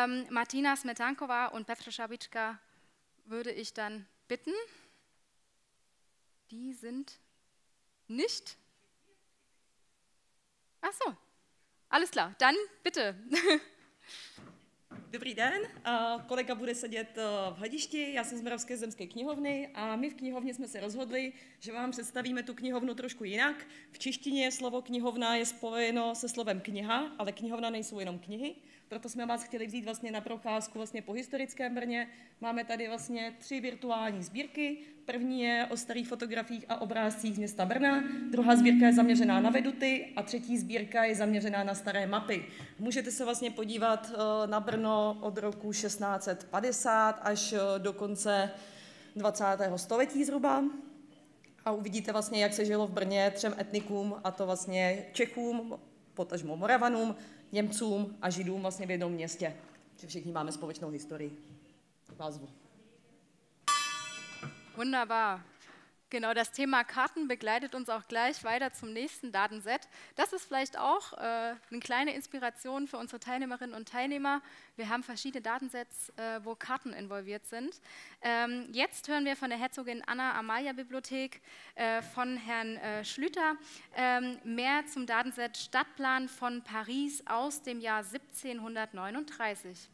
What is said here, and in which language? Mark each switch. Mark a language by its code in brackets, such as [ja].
[de] Martina Smetankova und Petr Šabička würde ich dann bitten, die sind nicht, ach so, alles klar, dann bitte. [cs] Dobrý den, kolega bude sedět v hledišti, já jsem z Moravské zemské knihovny a my v knihovně jsme se rozhodli, že vám představíme tu knihovnu trošku jinak. V češtině slovo knihovna je spojeno se slovem kniha, ale knihovna nejsou jenom knihy. Proto jsme vás chtěli vzít vlastně na procházku vlastně po historickém Brně. Máme tady vlastně 3 virtuální sbírky. První je o starých fotografiích a obrázcích z města Brna, druhá sbírka je zaměřená na veduty a třetí sbírka je zaměřená na staré mapy. Můžete se vlastně podívat na Brno od roku 1650 až do konce 20. století zhruba. A uvidíte vlastně, jak se žilo v Brně třem etnikům, a to vlastně Čechům, potažmo Moravanům, Němcům a Židům vlastně v jednom městě, že všichni máme společnou historii. Pozvu. [de] Wunderbar. Genau, das Thema Karten begleitet uns auch gleich weiter zum nächsten Datenset. Das ist vielleicht auch eine kleine Inspiration für unsere Teilnehmerinnen und Teilnehmer. Wir haben verschiedene Datensets, wo Karten involviert sind. Jetzt hören wir von der Herzogin Anna Amalia Bibliothek von Herrn Schlüter mehr zum Datenset Stadtplan von Paris aus dem Jahr 1739.